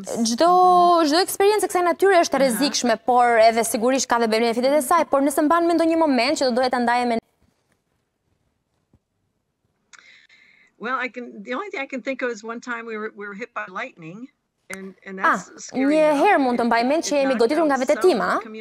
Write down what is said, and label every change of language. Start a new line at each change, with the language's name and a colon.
Albanian: Çdo eksperiencë kësaj natyre është e rrezikshme, por edhe sigurisht ka dhe benefitet e saj, por nëse mban mend ndonjë moment që do doja ta ndaje me
English: Well, I can the only thing I can think of is one time we were hit by lightning and that's scary.
Albanian: Një herë mund të mbaj mend që jemi goditur nga vetëtima.